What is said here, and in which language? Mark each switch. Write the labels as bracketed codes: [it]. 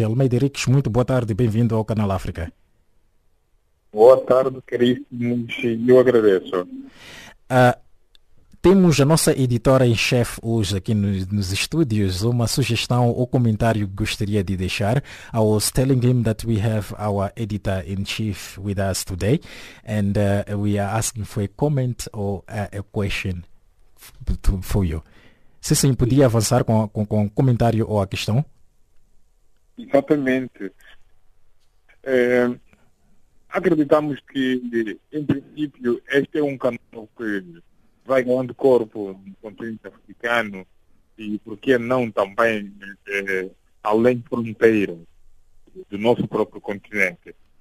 [pt] Almeida Henriques, muito boa tarde, bem-vindo ao Canal África. Boa tarde, querido, eu agradeço. Temos a nossa editora em chefe hoje aqui nos estúdios. Uma sugestão ou comentário que gostaria de deixar. [en] I was telling him that we have our editor in chief with us today, and we are asking for a comment or a question for you. [pt] Se sim, podia avançar com um comentário ou a questão? Exatamente. Acreditamos que, em princípio, este é um canal que vai ganhando corpo no continente africano, e por que não também além de fronteira do nosso próprio continente.